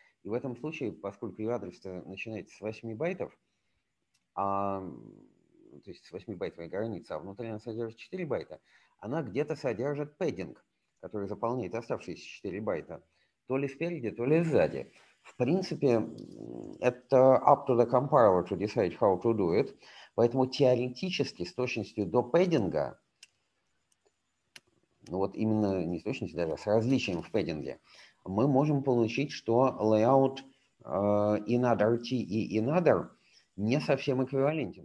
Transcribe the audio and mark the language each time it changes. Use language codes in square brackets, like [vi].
[ru] И в этом случае, поскольку ее адрес начинается с 8 байтов, то есть с 8-байтовой границы, а внутри она содержит 4 байта, она где-то содержит пэддинг, который заполняет оставшиеся 4 байта, то ли спереди, то ли сзади. В принципе, это [en] up to the compiler to decide how to do it. [ru] Поэтому теоретически с точностью до пэддинга, ну вот именно не с точностью даже, а с различием в пэддинге, мы можем получить, что layout in other T и in other не совсем эквивалентен.